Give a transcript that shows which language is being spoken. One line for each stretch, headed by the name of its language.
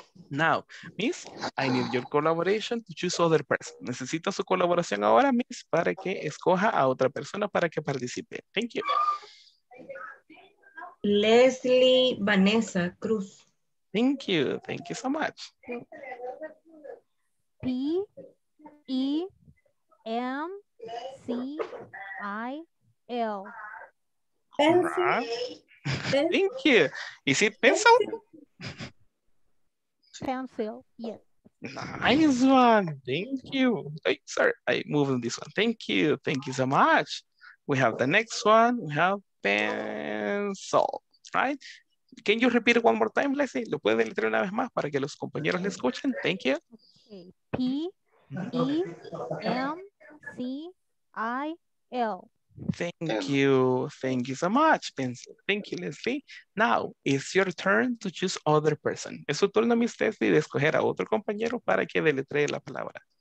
English: Now, Miss, I need your collaboration to choose other person.
Spanish: Necesito su colaboración ahora, Miss, para que escoja a otra persona para que participe.
English: Thank you. Leslie Vanessa Cruz. Thank you so much. P-E-M. C I L. Pencil. Thank you. Is it pencil? Pencil, yes. Nice one. Thank you. Sorry, I moved on this one. Thank you. Thank you so much. We have the next one. We have pencil, right? Can you repeat it one more time, Leslie?
Spanish: ¿Lo puedes deletrear una vez más para que los compañeros le escuchen?
English: Thank you. P-E-M-C-I-L. Thank you so much, pencil. Thank you, Leslie. Now, it's your turn to choose other person.
Spanish: Es su turno, Miss Leslie, de escoger a otro compañero para que deletree la palabra.